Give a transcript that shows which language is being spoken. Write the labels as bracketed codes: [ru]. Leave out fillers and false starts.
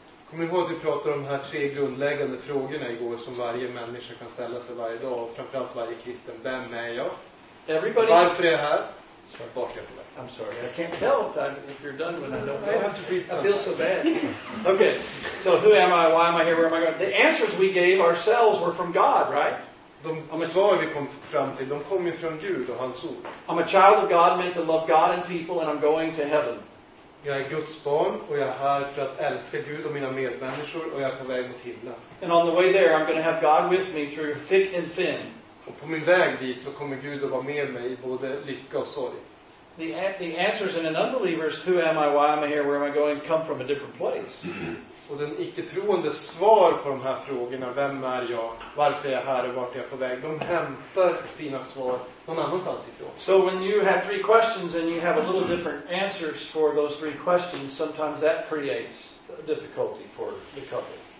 [sv] Kommer ni ihåg att vi pratade om de här 3 grundläggande frågorna igår som varje människa kan ställa sig varje dag, och framförallt varje kristen? Vem är jag? [en] Everybody. [sv] Varför är jag här? Svart bakar på det. [en] I'm sorry, I can't tell if you're done when I don't know. I have to read some. I feel so bad. Okay, so who am I, why am I here, where am I going? The answers we gave ourselves were from God, right? [sv] De svar vi kom fram till, de kom ju från Gud och hans ord. [en] I'm a child of God, meant to love God and people, and I'm going to heaven. [sv] Jag är Guds barn, och jag är här för att älska Gud och mina medmänniskor, och jag är på väg mot himlen. [en] And on the way there, I'm going to have God with me through thick and thin. [sv] Och på min väg dit så kommer Gud att vara med mig i både lycka och sorg. [en] the answers in an unbeliever's who am I, why am I here, where am I going, come from a different place. [sv] Och den icke-troende svar på de här frågorna, vem är jag, varför är jag här och vart är jag på väg, de hämtar sina svar någon annanstans ifrån. [en] So when you have three questions and you have a little different answers for those three questions, sometimes that creates a difficulty for the couple.